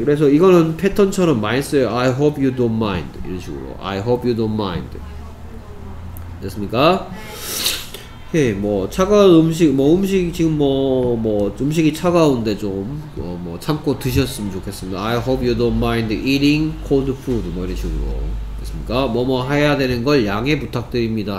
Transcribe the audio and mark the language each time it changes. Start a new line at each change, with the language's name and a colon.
Korean: 그래서 이거는 패턴처럼 많이 써요.
English: I hope you don't mind.
Korean: 이런 식으로.
English: I hope you don't mind.
Korean: 됐습니까? 오케이. 뭐 차가운 음식, 뭐 음식 지금 뭐 음식이 차가운데 좀 뭐 참고 드셨으면 좋겠습니다.
English: I hope you don't mind eating cold food.
Korean: 뭐 이런 식으로. 됐습니까? 뭐 해야 되는 걸 양해 부탁드립니다.